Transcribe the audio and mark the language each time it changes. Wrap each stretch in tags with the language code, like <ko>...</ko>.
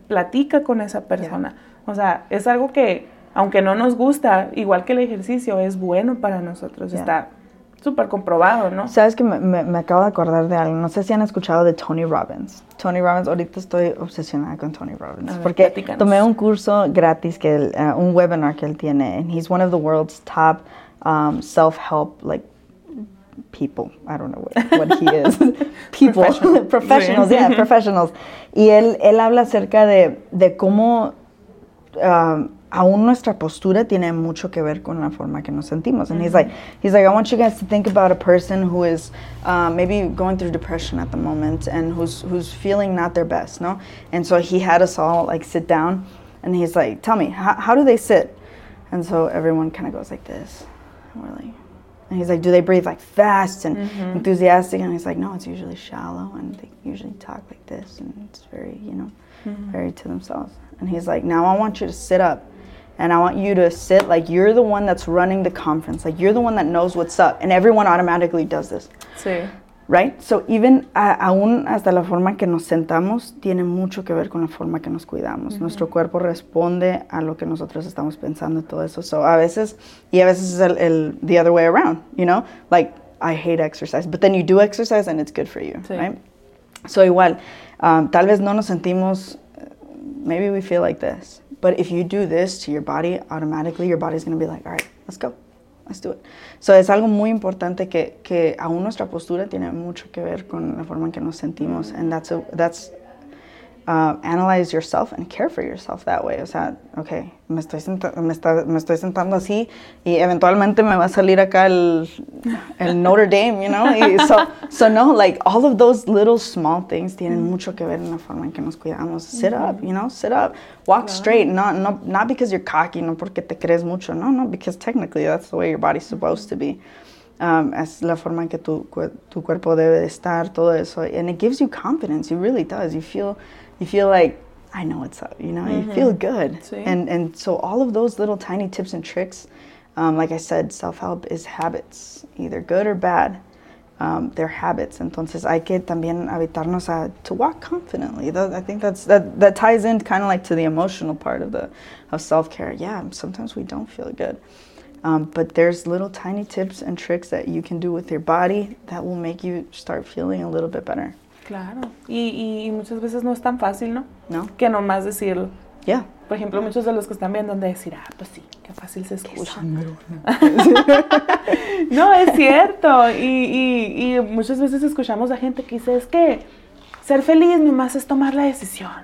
<es>Platica con esa persona. Yeah. O sea, es algo que, aunque no nos gusta, igual que el ejercicio, es bueno para nosotros. Yeah. Está súper comprobado, ¿no? Sabes que me acabo de acordar de algo. No sé si han escuchado de Tony Robbins. Tony Robbins, ahorita estoy obsesionada con Tony Robbins. Ver, porque platícanos. Tomé un curso gratis, que un webinar que él tiene.</es> <en>And he's one of the world's top self-help, like, people. I don't know what he is. People. Professionals. Professionals, yeah, professionals.</en> <es>Y él habla acerca de cómo aún nuestra postura tiene mucho que ver con la forma que nos sentimos.</es> <en>And mm-hmm. he's like, I want you guys to think about a person who is maybe going through depression at the moment and who's feeling not their best, no? And so he had us all, like, sit down, and he's like, tell me, how do they sit? And so everyone kind of goes like this. Really. And he's like, do they breathe, like, fast and mm-hmm. enthusiastic? And he's like, no, it's usually shallow, and they usually talk like this, and it's very, you know, mm-hmm. very to themselves. And he's like, now I want you to sit up, and I want you to sit like you're the one that's running the conference, like you're the one that knows what's up. And everyone automatically does this.</en> <es>Sí.</es> <en>Right? So even</en> <es>aún hasta la forma que nos sentamos tiene mucho que ver con la forma que nos cuidamos. Mm-hmm. Nuestro cuerpo responde a lo que nosotros estamos pensando y todo eso.</es> <en>So</en> <es>a veces, y a veces es el</es> <en>the other way around, you know? Like, I hate exercise, but then you do exercise and it's good for you,</en> <es>sí. right? So igual, tal vez no nos sentimos...</es> <en>Maybe we feel like this, but if you do this to your body, automatically your body's going to be like, all right, let's go, let's do it.</en> <es>So es algo muy importante que aún nuestra postura tiene mucho que ver con la forma en que nos sentimos.</es> <en>And that's analyze yourself and care for yourself that way.</en> <es>O sea, okay, me estoy sentando así y eventualmente me va a salir acá el Notre Dame,</es> <en>you know? So no, like all of those little small things</en> <es>tienen mucho que ver en la forma en que nos cuidamos. Sit mm-hmm.</es> <en>up, you know, sit up, walk yeah. straight, not because you're cocky,</en> <es>no porque te crees mucho, no,</es> <en>because technically that's the way your body's supposed to be.</en> <es>Es la forma en que tu cuerpo debe de estar, todo eso.</es> <en>And it gives you confidence, it really does. You feel like, I know what's up, you know? Mm-hmm. You feel good. Sí. And so all of those little tiny tips and tricks, like I said, self-help is habits, either good or bad. They're habits.</en> <es>Entonces hay que también habitarnos</es> <en>to walk confidently. I think that ties in kind of like to the emotional part of self-care. Yeah, sometimes we don't feel good. But there's little tiny tips and tricks that you can do with your body that will make you start feeling a little bit better.</en> <es>Claro. Y muchas veces no es tan fácil, ¿no? No. Que nomás decir... Yeah. Por ejemplo, muchos de los que están viendo han de decir, ah, pues sí, qué fácil se escucha. No, es cierto. Y muchas veces escuchamos a gente que dice, es que ser feliz nomás es tomar la decisión.</es>